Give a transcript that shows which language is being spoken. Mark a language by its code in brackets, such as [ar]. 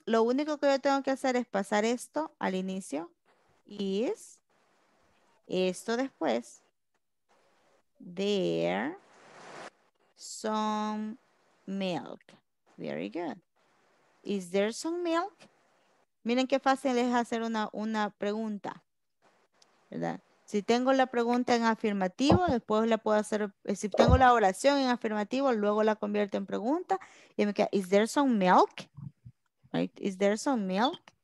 [es] Lo único que yo tengo que hacer es pasar esto al inicio. Is. Esto después. [en] There some milk. Very good. Is there some milk? [es] Miren qué fácil es hacer una pregunta, ¿verdad? Si tengo la pregunta en afirmativo, después la puedo hacer. Si tengo la oración en afirmativo, luego la convierto en pregunta. Y me queda, [en] ¿is there some milk? Right? ¿Is there some milk?